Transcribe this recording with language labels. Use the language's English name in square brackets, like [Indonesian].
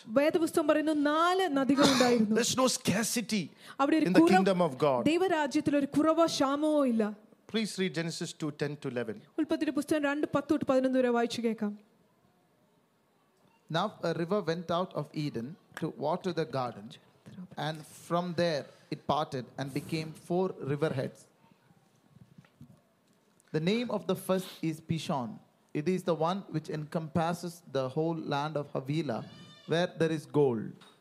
[Malayalam] വേദപുസ്തകം പറയുന്നു നാല് നദികൾ ഉണ്ടായിരുന്നു. [English] There's no scarcity in the kingdom of God. [Malayalam] ദൈവരാജ്യത്തിൽ ഒരു കുറവോ ക്ഷാമമോ ഇല്ല. [English] Please read Genesis 2:10-11. [Malayalam] ഉൽപ്പത്തിയുടെ പുസ്തകം 2:10-11 വരെ വായിച്ചു കേൾക്കാം. [English] Now a river went out of Eden to water the garden, and from there it parted and became four river heads. The name of the first is Pishon. It is the one which encompasses the whole land of Havilah, where there is gold.